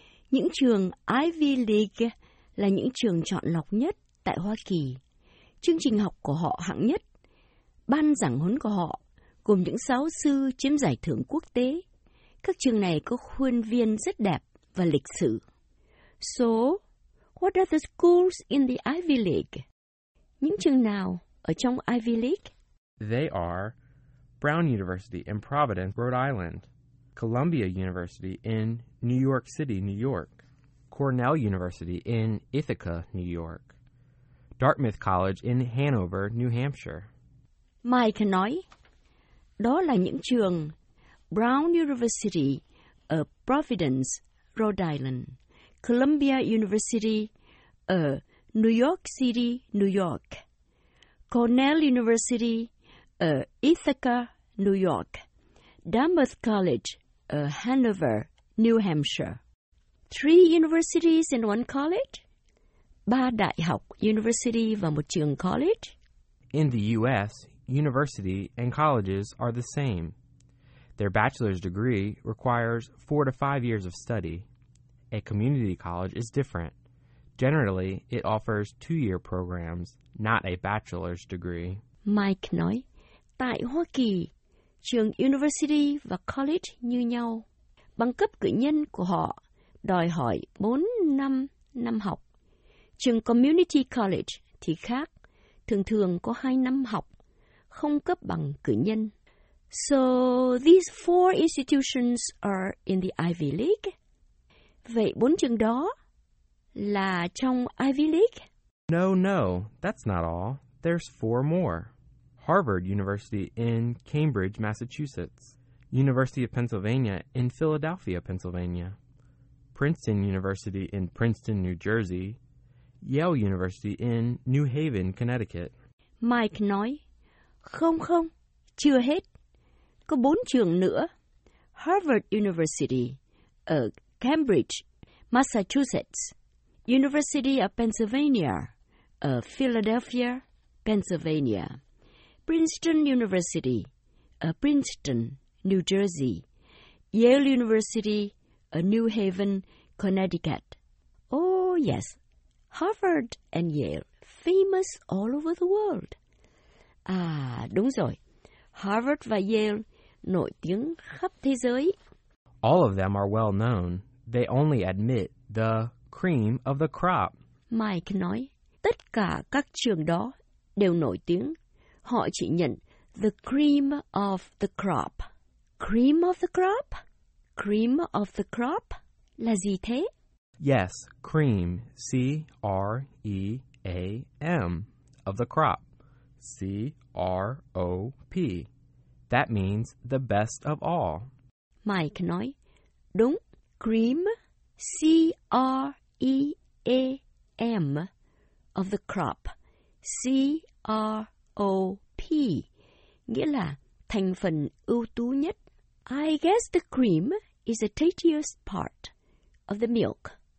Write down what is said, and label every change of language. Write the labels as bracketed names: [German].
[Vietnamese] Những trường Ivy League là những trường chọn lọc nhất tại Hoa Kỳ. Chương trình học của họ hạng nhất. Ban giảng huấn của họ gồm những giáo sư chiếm giải thưởng quốc tế. Các trường này có khuôn viên rất đẹp và lịch sử. [English] So, what are the schools in the Ivy League? [Vietnamese] Những trường nào ở trong Ivy League? [English] They are Brown University in Providence, Rhode Island, Columbia University in New York City, New York, Cornell University in Ithaca, New York, Dartmouth College in Hanover, New Hampshire. [Vietnamese] Mike nói, đó là những trường Brown University ở Providence, Rhode Island, Columbia University ở New York City, New York, Cornell University ở Ithaca, New York, Dartmouth College ở Hanover, New Hampshire. [English] Three universities in one college? [Vietnamese] Ba đại học, university và một trường college? [English] In the U.S., university and colleges are the same. Their bachelor's degree requires 4 to 5 years of study. A community college is different. Generally, it offers 2-year programs, not a bachelor's degree. [Vietnamese] Mike nói, tại Hoa Kỳ, trường university và college như nhau. Bằng cấp cử nhân của họ đòi hỏi 4 năm học. Trường community college thì khác, thường thường có 2 năm học, không cấp bằng cử nhân. [English] So, these 4 institutions are in the Ivy League? [Vietnamese] Vậy 4 trường đó là trong Ivy League? [English] No, that's not all. there's four more. Harvard University in Cambridge, Massachusetts. University of Pennsylvania in Philadelphia, Pennsylvania. Princeton University in Princeton, New Jersey. Yale University in New Haven, Connecticut. [Vietnamese] Mike nói, không không, chưa hết. Có bốn trường nữa. Harvard University ở Cambridge, Massachusetts. University of Pennsylvania ở Philadelphia, Pennsylvania. Princeton University ở Princeton, New Jersey. Yale University ở New Haven, Connecticut. [English] Oh, yes. Harvard and Yale, famous all over the world. [Vietnamese] À, đúng rồi. Harvard và Yale, nổi tiếng khắp thế giới. [English] All of them are well known. They only admit the cream of the crop. [Vietnamese] Mike nói, tất cả các trường đó đều nổi tiếng. Họ chỉ nhận [English] the cream of the crop. Cream of the crop? Cream of the crop? [Vietnamese] Là gì thế? [English] Yes, cream, C-R-E-A-M, of the crop, C-R-O-P. That means the best of all. [Vietnamese] Mike nói, đúng, [English] cream, C-R-E-A-M, of the crop, C-R-O-P, [Vietnamese] nghĩa là thành phần ưu tú nhất. [English] I guess the cream is the tastiest part of the milk.